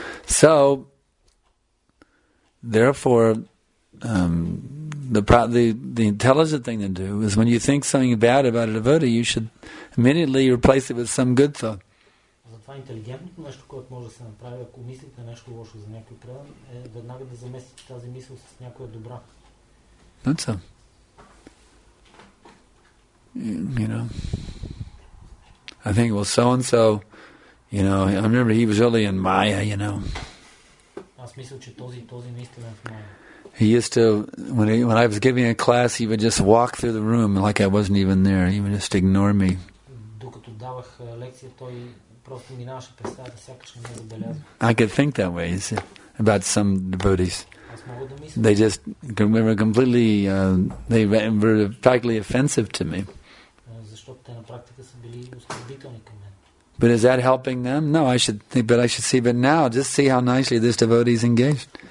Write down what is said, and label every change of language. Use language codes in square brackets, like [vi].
[en] So, therefore, The intelligent thing to do is when you think something bad about a devotee, you should immediately replace it with some good thought. [bg] Затова интелигентното нещо, което може да се направи, ако мислите нещо лошо за някой предан, е веднага да замести тази мисъл с някоя добра. [en] Not so. I think, well, so-and-so, I remember he was really in Maya, [bg] Аз мисля, че този наистина е в Maya. [en] He used to, when I was giving a class, he would just walk through the room like I wasn't even there. He would just ignore me. [bg] Докато давах лекция, той просто минаваше през тази, сякаш не ме забелязва. [en] I could think that way, see, about some devotees. [bg] Аз мога да мисля. [en] They just were completely, they were practically offensive to me. [bg] Защото те на практика са били оскърбителни към мен. [en] But is that helping them? No, I should think, but I should see, but now, just see how nicely this devotee is engaged.